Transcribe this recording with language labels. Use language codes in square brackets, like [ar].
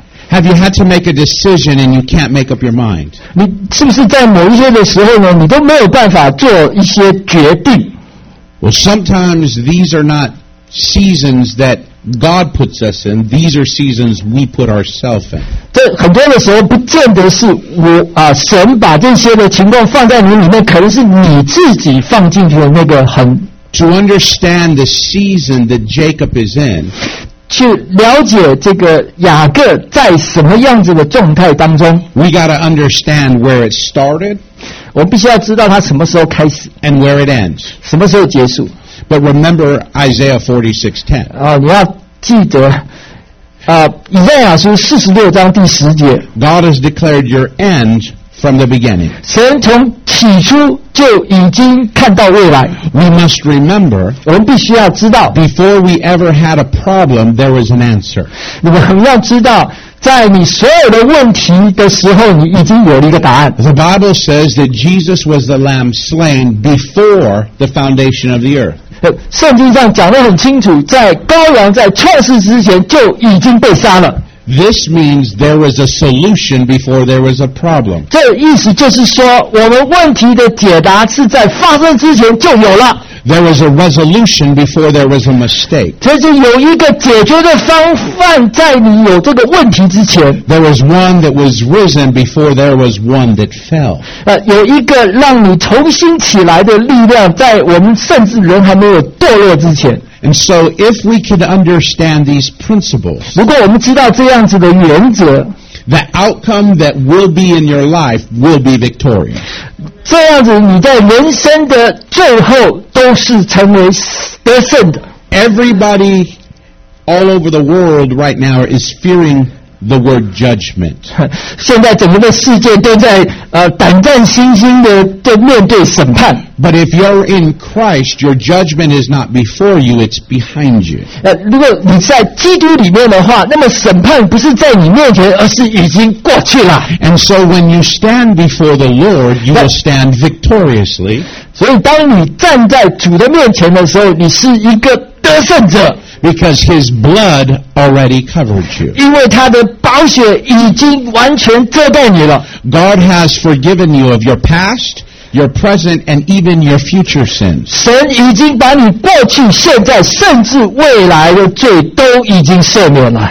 [en] Have you had to make a decision and you can't make up your mind? [zh] 你是不是在某一些的时候呢，你都没有办法做一些决定？ [en] Well, sometimes these are not seasons that God puts us in. These are seasons we put ourselves in. [zh] 这很多的时候不见得是我神把这些的情况放在你里面，可能是你自己放进去的那个很。 [en] To understand the season that Jacob is in, [zh] 去了解这个雅各在什么样子的状态当中。 [en] We got to understand where it started. [zh] 我必须要知道它什么时候开始。 [en] And where it ends. [zh] 什么时候结束。 [en] But remember Isaiah 46:10. [zh] 你要记得，以赛亚书46:10. [en] God has declared your end from the beginning. [zh] 神从起初就已经看到未来。 [en] We must remember. [zh] 我们必须要知道。 [en] Before we ever had a problem, there was an answer. [zh] 你们要知道，在你所有的问题的时候，你已经有了一个答案。 [en] The Bible says that Jesus was the Lamb slain before the foundation of the earth. [zh] 圣经上讲得很清楚，在羔羊在创世之前就已经被杀了。 [en] This means there was a solution before there was a problem. [zh] 这意思就是说，我们问题的解答是在发生之前就有了。 [en] There was a resolution before there was a mistake. [zh] 这就有一个解决的方案在你有这个问题之前。 [en] There was one that was risen before there was one that fell. [zh] 有一个让你重新起来的力量在我们甚至人还没有堕落之前。 [en] And so if we could understand these principles, [zh] 如果我们知道这样子的原则, [en] the outcome that will be in your life will be victorious. [zh] 这样子你在人生的最后都是成为得胜的。 [en] Everybody all over the world right now is fearing the word judgment. [zh] 现在整个的世界都在胆战心惊的在面对审判。 [en] But if you're in Christ, your judgment is not before you, it's behind you. [zh] 如果你在基督里面的话，那么审判不是在你面前，而是已经过去了。 [en] And so when you stand before the Lord, you will stand victoriously. [zh] 所以当你站在主的面前的时候，你是一个得胜者。 [en] Because his blood already covered you. [zh] 因为他的宝血已经完全遮盖你了。 [en] God has forgiven you of your past, your present, and even your future sins. [zh] 神已经把你过去、现在、甚至未来的罪都已经赦免了。